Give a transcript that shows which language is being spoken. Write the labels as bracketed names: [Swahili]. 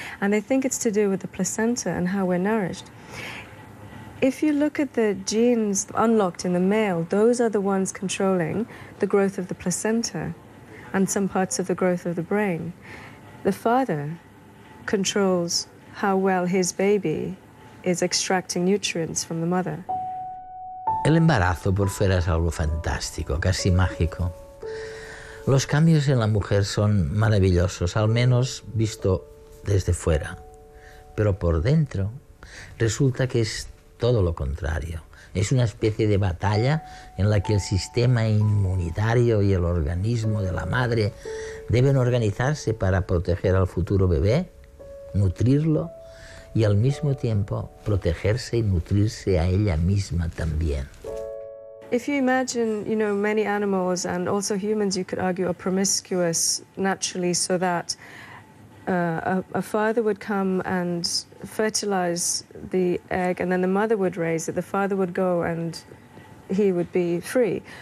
[English] And they think it's to do with the placenta and how we're nourished. If you look at the genes unlocked in the male, those are the ones controlling the growth of the placenta and some parts of the growth of the brain. The father controls how well his baby is extracting nutrients from the mother. [Spanish] El embarazo por fuera es algo fantástico, casi mágico. Los cambios en la mujer son maravillosos, al menos visto desde fuera. Pero por dentro resulta que es todo lo contrario. Es una especie de batalla en la que el sistema inmunitario y el organismo de la madre deben organizarse para proteger al futuro bebé, nutrirlo y al mismo tiempo protegerse y nutrirse a ella misma también. [English] If you imagine, you know, many animals and also humans, you could argue are promiscuous naturally so that a father would come and fertilize the egg, and then the mother would raise it. The father would go, and he would be free.